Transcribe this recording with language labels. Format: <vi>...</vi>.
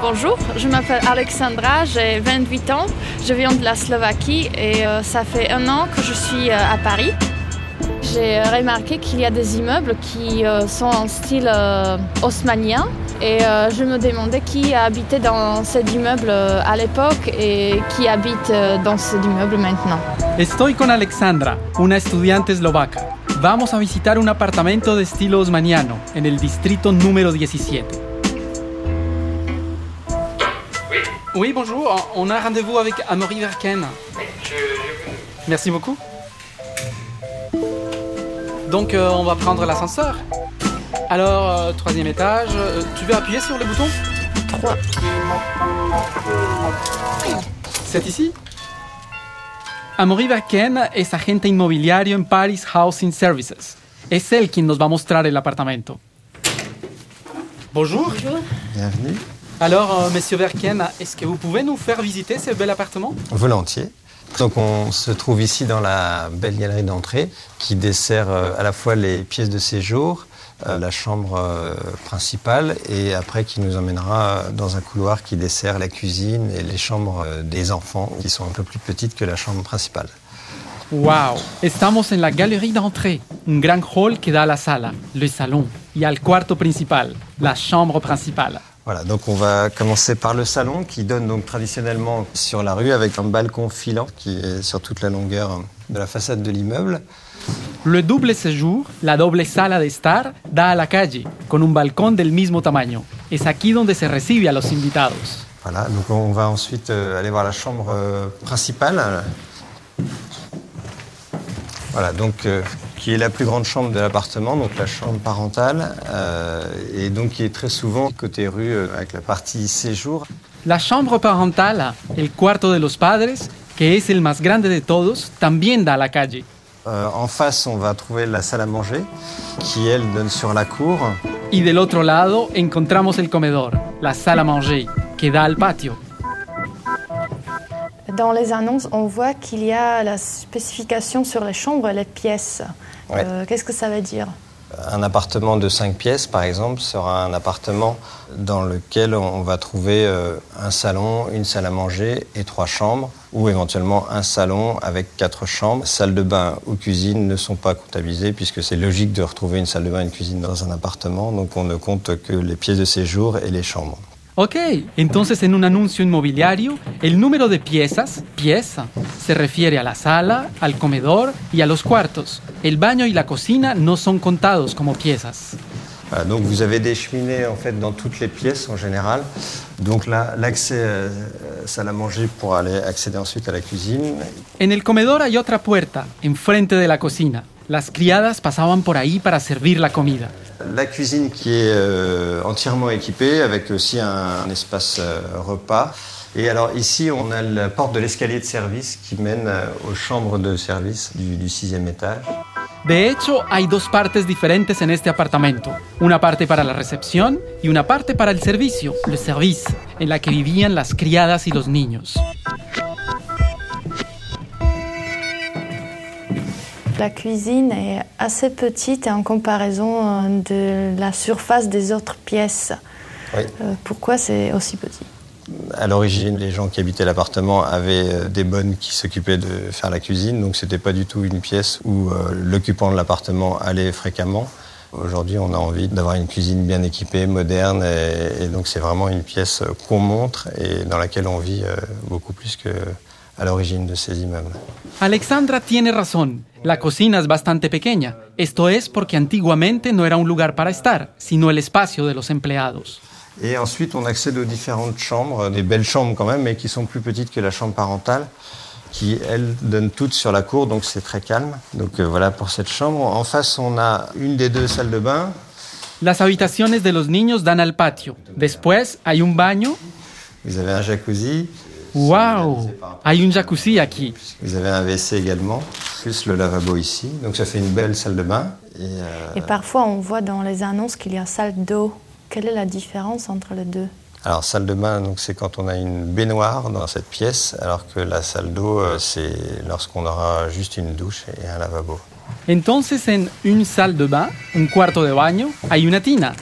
<fr>Bonjour, je m'appelle Alexandra, j'ai 28 ans, je viens de la Slovaquie et ça fait un an que je suis à Paris. J'ai remarqué qu'il y a des immeubles qui sont en style haussmannien et je me demandais qui a habité dans cet immeuble à l'époque et qui habite dans cet immeuble maintenant.</fr> <es>Estoy con Alexandra, una estudiante eslovaca. Vamos a visitar un apartamento de estilo haussmanniano en el distrito número 17.</es> <fr>Oui. Oui, bonjour, on a rendez-vous avec Amaury Verken. Merci beaucoup. Donc, on va prendre l'ascenseur. Alors, troisième étage, tu veux appuyer sur le bouton ? 3. C'est ici ?</fr> <es>Amaury Verken es agente inmobiliario en Paris Housing Services. Es él quien nos va a mostrar el apartamento.</es> <fr>Bonjour. Bonjour. Bienvenue. Alors, monsieur Verken, est-ce que vous pouvez nous faire visiter ce bel appartement ? Volontiers. Donc, on se trouve ici dans la belle galerie d'entrée qui dessert à la fois les pièces de séjour, la chambre principale et après qui nous emmènera dans un couloir qui dessert la cuisine et les chambres des enfants qui sont un peu plus petites que la chambre principale.</fr> <es>Waouh ! Estamos en la galerie d'entrée,</es> <fr>un grand hall qui</fr> <es>da la sala, le salon, y al cuarto principal, la chambre principale.</es> <fr>Voilà, donc on va commencer par le salon qui donne donc traditionnellement sur la rue avec un balcon filant qui est sur toute la longueur de la façade de l'immeuble.</fr> <es>Le double séjour, la double sala de estar, da a la calle, con un balcón del mismo tamaño. Es aquí donde se recibe a los invitados.</es> <fr>Voilà, donc on va ensuite aller voir la chambre principale. Voilà, donc qui est la plus grande chambre de l'appartement, donc la chambre parentale, et donc qui est très souvent côté rue avec la partie séjour.</fr> <es>La chambre parentale, el cuarto de los padres, que es el más grande de todos, también da la calle.</es> <fr>En face, on va trouver la salle à manger, qui elle donne sur la cour.</fr> <es>Y del otro lado, encontramos el comedor, la salle à manger, que da al patio.</es> <fr>Dans les annonces, on voit qu'il y a la spécification sur les chambres et les pièces. Ouais. Qu'est-ce que ça veut dire ? Un appartement de 5 pièces, par exemple, sera un appartement dans lequel on va trouver un salon, une salle à manger et 3 chambres, ou éventuellement un salon avec 4 chambres. Salle de bain ou cuisine ne sont pas comptabilisées, puisque c'est logique de retrouver une salle de bain et une cuisine dans un appartement, donc on ne compte que les pièces de séjour et les chambres.</fr> <es>Ok, entonces en un anuncio inmobiliario, el número de piezas, pieza, se refiere a la sala, al comedor y a los cuartos. El baño y la cocina no son contados como piezas.</es> <fr>Donc vous avez des cheminées en fait dans toutes les pièces en général. Donc là, l'accès salle à manger pour aller accéder ensuite à la cuisine.</fr> <es>En el comedor hay otra puerta, enfrente de la cocina. Las criadas pasaban por ahí para servir la comida.</es> <fr>La cuisine qui est entièrement équipée, avec aussi un espace repas. Et alors ici, on a la porte de l'escalier de service qui mène aux chambres de service du sixième étage.</fr> <es>De hecho, hay dos partes diferentes en este apartamento. Una parte para la recepción y una parte para el servicio, le service, en la que vivían las criadas y los niños.</es> <fr>La cuisine est assez petite en comparaison de la surface des autres pièces. Oui. Pourquoi c'est aussi petit ? À l'origine, les gens qui habitaient l'appartement avaient des bonnes qui s'occupaient de faire la cuisine, donc ce n'était pas du tout une pièce où l'occupant de l'appartement allait fréquemment. Aujourd'hui, on a envie d'avoir une cuisine bien équipée, moderne, et donc c'est vraiment une pièce qu'on montre et dans laquelle on vit beaucoup plus qu'à l'origine de ces immeubles.</fr> <es>Alexandra tiene razón. La cocina es bastante pequeña. Esto es porque antiguamente no era un lugar para estar, sino el espacio de los empleados.</es> <fr>Et ensuite, on accède aux différentes chambres, des belles chambres quand même, mais qui sont plus petites que la chambre parentale, qui, elles, donnent toutes sur la cour, donc c'est très calme. Donc voilà pour cette chambre. En face, on a une des deux salles de bain.</fr> <es>Las habitaciones de los niños dan al patio. Después, hay un baño.</es> <fr>Vous avez un jacuzzi.</fr> <es>Wow, hay un jacuzzi aquí.</es> <fr>Vous avez un WC également. Plus le lavabo ici, donc ça fait une belle salle de bain. Et parfois on voit dans les annonces qu'il y a salle d'eau. Quelle est la différence entre les deux ? Alors, salle de bain, donc, c'est quand on a une baignoire dans cette pièce, alors que la salle d'eau, c'est lorsqu'on aura juste une douche et un lavabo.</fr> <es>Entonces, en une salle de bain, un cuarto de baño, hay una tina.</es>